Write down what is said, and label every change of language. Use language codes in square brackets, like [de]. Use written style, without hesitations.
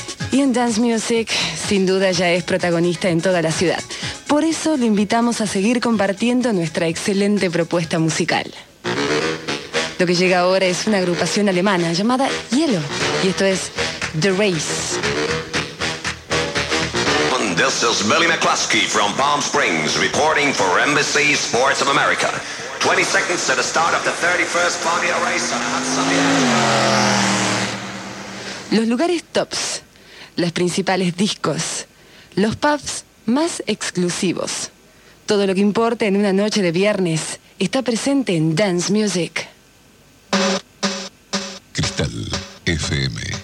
[es] Y en Dance Music, sin duda, ya es protagonista en toda la ciudad. Por eso le invitamos a seguir compartiendo nuestra excelente propuesta musical. Lo que llega ahora es una agrupación alemana llamada Hielo, y esto es The Race. [en] This is Billy McCluskey from Palm Springs, reporting for NBC Sports of America. 20 seconds to the start of the 31st Formula Race on Hudson. [es] Los lugares tops, los principales discos, los pubs más exclusivos. Todo lo que importa en una noche de viernes está presente en Dance Music. Cristal FM.